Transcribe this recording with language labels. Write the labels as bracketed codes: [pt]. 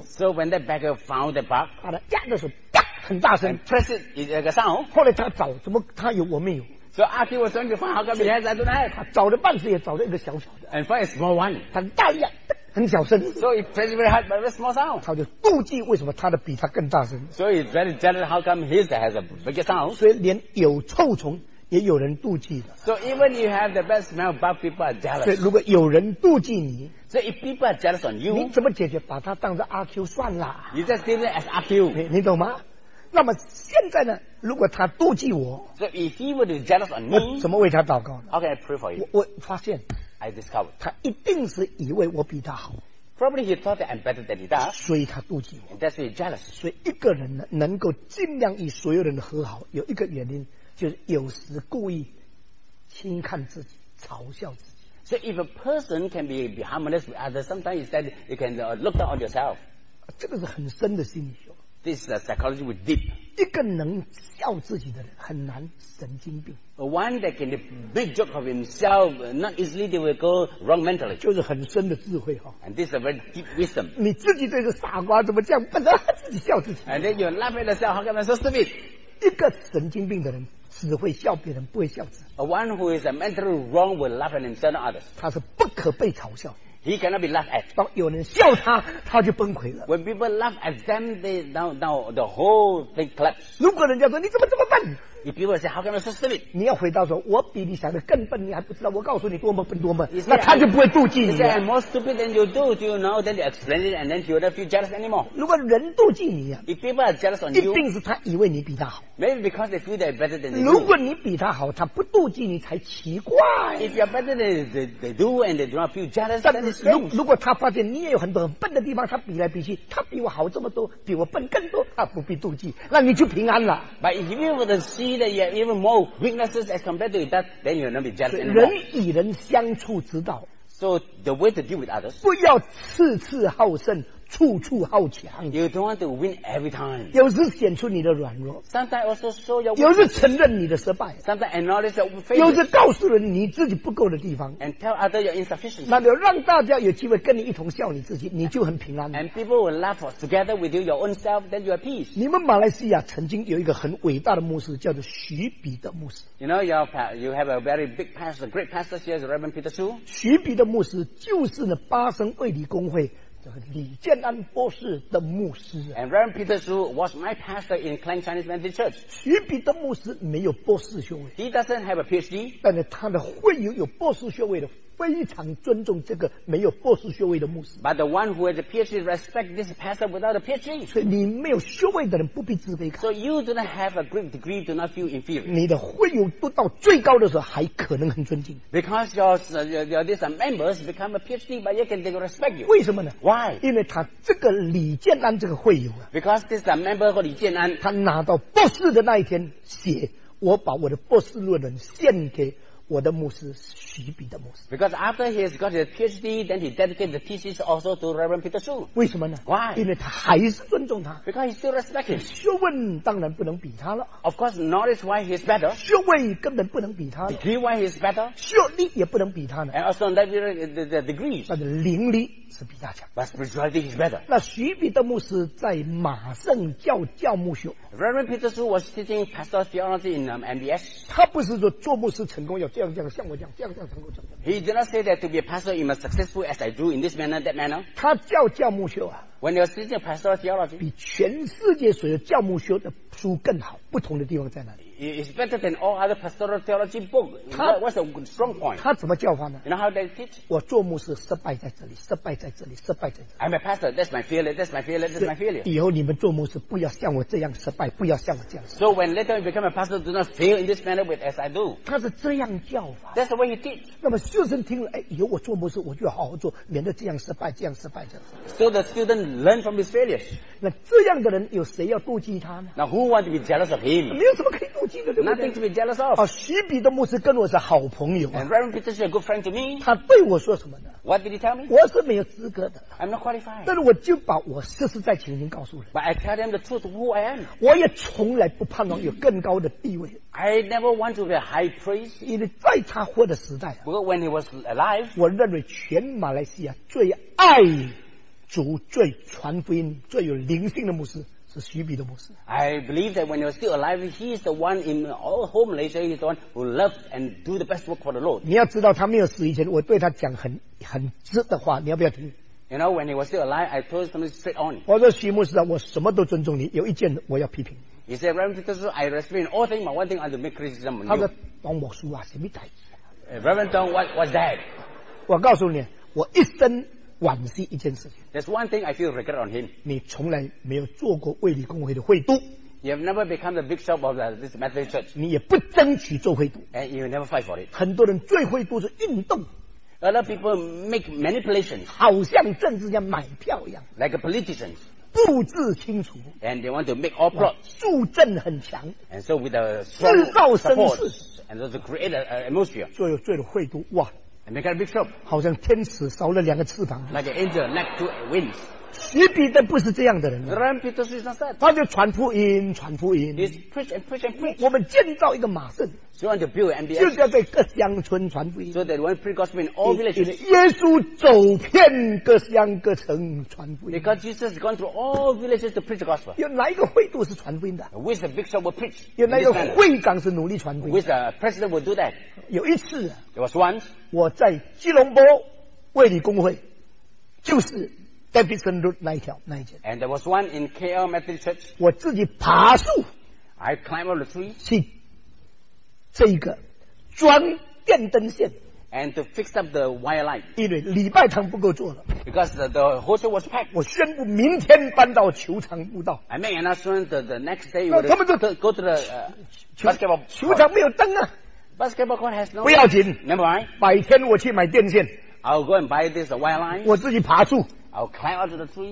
[en] So when that beggar found the bug [zh] 把它压的时候很大声 [en] press it [zh] 那个上喉。后来他找，怎么他有我没有？说阿弟，我准备放好个 [en] behind the night。 [zh] 他找了半次也找了一个小小的 [en] ，and find a small one。 [zh] 他大力啊，很小声。 [en] So he press very hard, but very small sound。 [zh] 他就妒忌为什么他的比他更大声。 [en] So he very jealous how come his has a bigger sound。 [zh] 所以连有臭虫也有人妒忌的。 [en] So even you have the best smell, but people are jealous。 [zh] 所以如果有人妒忌你。 [en] So if people are jealous on you, [zh] 你怎么解决？把它当作阿 Q 算了。 [en] You just treat it as 阿 Q。 [zh] 你懂吗？那么现在呢？如果他妒忌我 [en] ，So if he were jealous on me, [zh] 我怎么为他祷告 [en] ？Okay, I pray for you [zh] 我发现 [en] ，I discovered， [zh] 他一定是以为我比他好。 [en] Probably he thought that I'm better than he does。 [zh] 所以他妒忌我。 [en] And that's why he's jealous。 [zh] 所以一个人呢，能够尽量与所有人和好，有一个原因就是有时故意轻看自己，嘲笑自己。 [en] So if a person can be harmonious with others, sometimes you said you can look down on yourself。 [zh] 这个是很深的心理学。 [en] This is a psychology with deep。 [zh] 一个能笑自己的人很难神经病。 [en] One that can big joke of himself, not easily they will go wrong mentally。 [zh] 就是很深的智慧哈。 [en] And this is a very deep wisdom。 [zh] 你自己这个傻瓜怎么这样笨的自己笑自己 [en] ？And then you laugh at yourself, how come I'm so stupid？ [zh] 一个神经病的人。只会笑别人，不会笑自己。 [en] One who is a mentally wrong will laugh at himself and others。 [zh] 他是不可被嘲笑。 [en] He cannot be laughed at。 [zh] 当有人笑他，他就崩溃了。 [en] When people laugh at them, they now the whole thing collapses。 [zh] 如果人家说你怎么这么笨 [en] ，If people say how can I so stupid， [zh] 你要回答说我比你想的更笨，你还不知道，我告诉你多么笨多么笨。那他就不会妒忌你。 [en] He said I'm more stupid than you do. Do you know? Then they explain it, and then he will not feel jealous anymore。 [zh] 如果人妒忌你呀 [en] ，If people are jealous on you， [zh] 一定是他以为你比他好。 [en] Maybe because they feel they're better than you。 [zh] 如果你比他好，他不妒忌你才奇怪。 [en] If you're better than they do and they do not feel jealous， then [zh] 如果他发现你也有很多很笨的地方，他比来比去，他比我好这么多，比我笨更多，他不必妒忌，那你就平安了。 [en] But if you were to see that you have even more weaknesses as compared to that, then you will not be jealous anymore. [zh] 人与人相处之道。 [en] So the way to deal with others. [zh] 不要次次好胜。处处好强 [en] ，You don't want to win every time。 [zh] 有时显出你的软弱 [en] ，Sometimes also show your。 [zh] 有时承认你的失败 [en] ，Sometimes acknowledge your failure。 [zh] 有时告诉人你自己不够的地方 [en] ，And tell others your insufficiency。 [zh] 那就让大家有机会跟你一同笑你自己，你就很平安。 [en] And people will laugh together with you your own self, then you are peace。 [zh] 你们马来西亚曾经有一个很伟大的牧师，叫做徐彼得牧师。 [en] You know you have a very big pastor, great pastor here is Reverend Peter Chu。 [zh] 徐彼得牧师就是那巴生卫理公会。李建安博士的牧师 [en] And Reverend Peter Su was my pastor in Klang Chinese Methodist Church. [zh] 徐彼得牧师没有博士学位 [en] He doesn't have a PhD. [zh] 但是他的会友有博士学位的非常尊重这个没有博士学位的牧师 [en] But the one who has a PhD respect this pastor without a PhD. [zh] 所以你没有学位的人不必自卑感 [en] So you do not have a great degree, do not feel inferior. [zh] 你的会友都到最高的时候还可能很尊敬 [en] Because your these members become a PhD, but yet they respect you. [zh] 为什么呢 [en] Why? [zh] 因为他这个李建安这个会友啊 [en] Because this member of 李建安 [zh] 他拿到博士的那一天写我把我的博士论文献给我的牧师徐彼得牧师 [en] Because after he has got his PhD then he dedicated the thesis also to Reverend Peter Su [zh] 为什么呢 [en] Why? [zh] 因为他还是尊重他 [en] Because he still respects him [zh] 学问当然不能比他了 [en] Of course knowledge why he is better [zh] 学位根本不能比他了 [en] Degree why he is better [zh] 学历也不能比他了 [en] And also on the degrees [zh] 但是灵力是比他强 [en] But spirituality is better [zh] 那徐彼得牧师在马圣教教牧修 [en] Reverend Peter Su was teaching pastoral theology in MBS [zh] 他不是说做牧师成功要这样 [en] He did not say that to be a pastor you must successful as I do in this manner that manner [zh] 他教教牧修啊 [en] When you're teaching pastoral theology [zh] 比全世界所有教牧修的书更好不同的地方在哪里 [en] It's better than all other pastoral theology book What's a strong point [zh] 他怎么教法呢 [en] You know how they teach [zh] 我做牧师失败在这里失败在这里失败在这里 [en] I'm a pastor that's my failure that's my failure that's my failure [zh] 以后你们做牧师不要像我这样失败不要像我这样 [en] So when later you become a pastor do not fail in this manner with as I do [zh] 他是这样教法 [en] That's the way he teach [zh] 那么学生听了哎，以后我做牧师我就要好好做免得这样失败这样失败这样 [en] So the student learn from his failures [zh] 那这样的人有谁要妒忌他呢 [en] Now who want to be jealous of him [zh] 没有什么可以妒忌的对不对 [en] Nothing to be jealous of [zh] 徐彼得牧师跟我是好朋友、啊、 [en] And Reverend Peter is a good friend to me [zh] 他对我说什么呢 [en] What did he tell me [zh] 我是没有资格的 [en] I'm not qualified [zh] 但是我就把我实实在情形告诉人 [en] But I tell them the truth of who I am [zh] 我也从来不盼望有更高的地位 [en] I never want to be a high priest [zh] 因为在他活的时代、啊、 [en] But when he was alive [zh] 我认为全马来西亚最爱主最传福音最有灵性的牧师是徐彼得牧师。 [en] I believe that when you're still alive, he is the one in all home Malaysia, he's the one who loves and do the best work for the Lord. [zh] 你要知道他没有死以前，我对他讲很直的话，你要不要听？ [en] You know, when he was still alive, I told him straight on. [zh] 我说徐牧师啊，我什么都尊重你，有一件我要批评。 [en] He said, Reverend Peter, I respect all things, but one thing I do make criticism on you. [zh] 他说，当牧师啊，什么代志 [en] ？Reverend Tong, what's that? [zh] 我告诉你，我一生惋惜一件事情。 [en] There's one thing I feel regret on him. [zh] 你从来没有做过卫理公会的会督。 [en] You have never become the bishop of this Methodist church. [zh] 你也不争取做会督。 [en] And you never fight for it. [zh] 很多人最会督是运动。 [en] A lot of people make manipulations, [zh] 好像政治家买票一样 [en] ，like politicians, [zh] 布置清楚 [en] ，and they want to make all plots, [zh] 助阵很强 [en] ，and so with a strong support, and so to create an atmosphere, [zh] 做了会督哇 [en] ，and make a big show, [zh] 好像天使烧了两个翅膀 [en] ，like an angel like two wings。 [zh] 徐彼得不是这样的人、啊、他就传福音传福音 [en] preach and preach and preach. [zh] 我们建造一个马圣、 [en] so、want to build an MBS, [zh] 就要在各乡村传福音、 [en] so、that when preach gospel in all villages, [zh] 耶稣走遍各乡各城传福音 [en] because Jesus gone through all villages to preach gospel. [zh] 有哪一个会度是传福音的 [en] which bishop will preach [zh] 有哪一个会长是努力传福音 [en] which president will do that [zh] 有一次 [en] there was once, [zh] 我在吉隆坡卫理公会就是Davidson Road 那一条那一间 [en] and there was one in KL Methodist Church [zh] 我自己爬树 [en] I climbed up the tree [zh] 去这一个装电灯线 [en] and to fix up the wire line [zh] 因为礼拜堂不够做了 [en] because the whole church was packed [zh] 我宣布明天搬到球场布道 [en] I made an announcement that the next day we would go to the basketball [zh] 球场没有灯啊 [en] basketball court has no [zh] 不要紧 [en] Never mind [zh] 白天我去买电线 [en] I'll go and buy this wire line [zh] 我自己爬树 [en] I'll climb out of the tree.